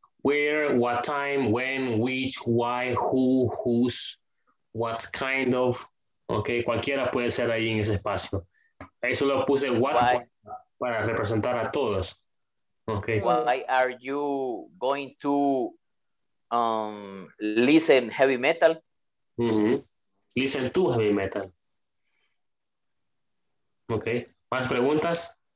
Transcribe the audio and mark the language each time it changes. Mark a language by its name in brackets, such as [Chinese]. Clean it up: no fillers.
[English] Where, what time, when, which, why, who, whose, what kind of. [Spanish] Ok, cualquiera puede ser ahí en ese espacio. Ahí solo puse what para representar a todos. Okay. [English] Why are you going to listen heavy metal? Mm-hmm. Listen to heavy metal. [Spanish] Ok, ¿más preguntas?